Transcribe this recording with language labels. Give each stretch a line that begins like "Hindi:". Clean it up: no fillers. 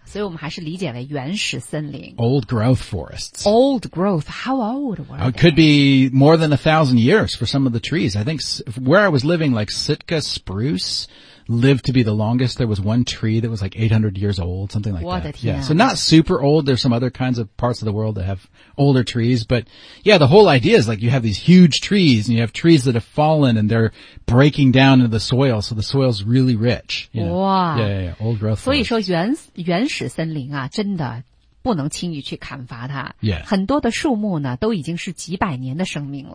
Chinese: 所以我们还是理解为原始森林
English: Old growth forests. Old growth. How old were they? It could be more than 1,000 years for some of the trees. I think where I was living, like Sitka spruce lived to be the longest. There was one tree that was like 800 years old, something like that. Yeah. So not super old. There's some other kinds of parts of the world that have older trees. But yeah, the whole idea is like you have these huge trees and you have trees that have fallen and they're breaking down into the soil. So the soil's really rich. You know? Yeah. Old growth.
Chinese: 所以说原始森林啊真的不能轻易去砍伐它。
English: Yeah.
Chinese: 很多的树木呢都已经是几百年的生命了。